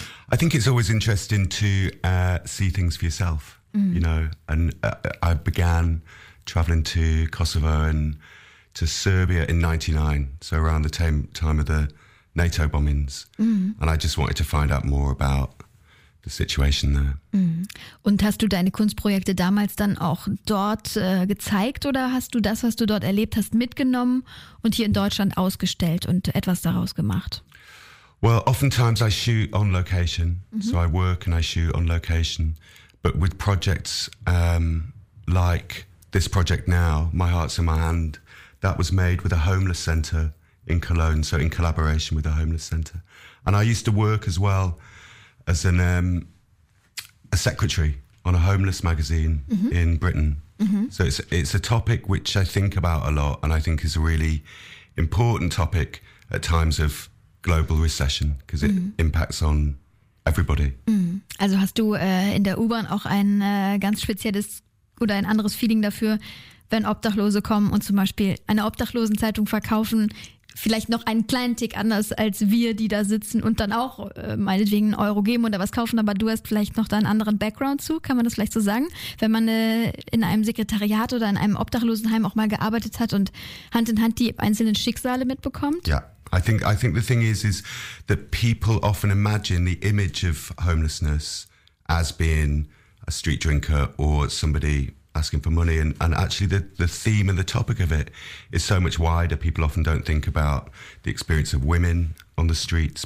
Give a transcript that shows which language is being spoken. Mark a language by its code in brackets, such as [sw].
[en] I think it's always interesting to see things for yourself, you know. And I began traveling to Kosovo and to Serbia in 99, so around the time of the NATO bombings. And I just wanted to find out more about the situation there. [de] Und hast du deine Kunstprojekte damals dann auch dort gezeigt oder hast du das, was du dort erlebt hast, mitgenommen und hier in Deutschland ausgestellt und etwas daraus gemacht? [en] Well, oftentimes I shoot on location. So I work and I shoot on location. But with projects like this project now, My Heart's in My Hand, that was made with a homeless center in Cologne, so in collaboration with a homeless center. And I used to work as well as an a secretary on a homeless magazine in Britain. So it's a topic which I think about a lot and I think is a really important topic at times of global recession, because it impacts on everybody. [de] Also hast du in der U-Bahn auch ein ganz spezielles oder ein anderes Feeling dafür, wenn Obdachlose kommen und zum Beispiel eine Obdachlosenzeitung verkaufen, vielleicht noch einen kleinen Tick anders als wir, die da sitzen und dann auch meinetwegen einen Euro geben oder was kaufen, aber du hast vielleicht noch da einen anderen Background zu, kann man das vielleicht so sagen? Wenn man in einem Sekretariat oder in einem Obdachlosenheim auch mal gearbeitet hat und Hand in Hand die einzelnen Schicksale mitbekommt? [en] Ja, I think the thing is that people often imagine the image of homelessness as being a street drinker or somebody asking for money, and actually the theme and the topic of it is so much wider. People often don't think about the experience of women on the streets.